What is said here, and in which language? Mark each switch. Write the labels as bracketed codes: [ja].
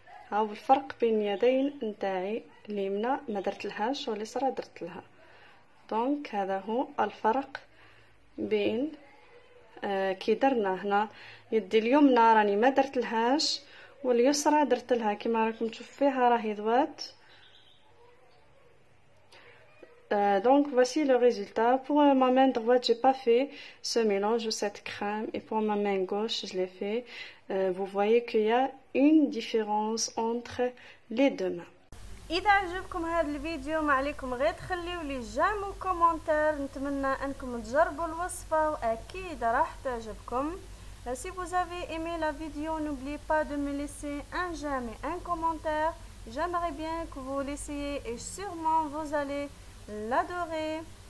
[ar] هاو الفرق بين يدين نتاعي اليمنى ما درت لهاش واليسرى درت لها. دونك هذا هو الفرق بين كي درنا هنا يدي اليمنى راني ما درت لهاش، واليسرى درت لها كما راكم تشوف فيها راهي ضوات. [fr] دونك voici le résultat. Pour ma main droite, j'ai pas fait ce mélange ou cette crème, et pour ma main gauche, je l'ai fait. Vous voyez qu'il y a une différence entre les deux mains. [ar] إذا عجبكم هذا الفيديو ما عليكم غير تخليوا لي جيم وكومنتار. نتمنى أنكم تجربوا الوصفة وأكيد راح تعجبكم. [fr] Si vous avez aimé la vidéo, n'oubliez pas de me laisser un j'aime et un commentaire. J'aimerais bien que vous l'essayiez et sûrement vous allez l'adorer.